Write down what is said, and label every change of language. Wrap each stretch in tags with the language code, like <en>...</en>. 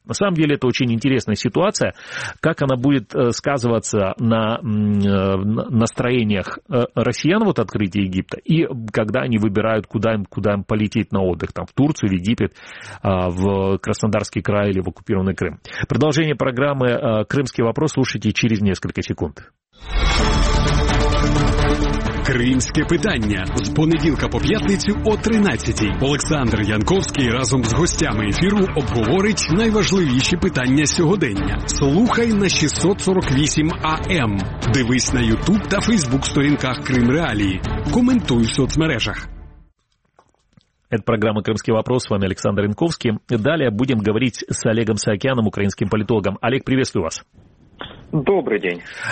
<ru>На самом деле это очень интересная ситуация, как она будет сказываться на настроениях россиян, вот открытие Египта, и когда они выбирают, куда им полететь на отдых, там, в Турцию, в Египет, в Краснодар. Краснодарский край или в оккупированный Крым. Продолжение программы «Крымский вопрос» слушайте через несколько секунд.</ru> <uk>Кримське питання з понеділка по п'ятницю о 13:00. Олександр Янковський разом з гостями ефіру обговорить найважливіші питання сьогодення. Слухай на 648 АМ. Дивись на YouTube та Facebook сторінках Крим Реалії. Коментуй в соцмережах.</uk> <ru>Это программа «Крымский вопрос», с вами Александр Янковский. Далее будем говорить с Олегом Саакяном, украинским политологом. Олег, приветствую вас. Добрый день.</ru>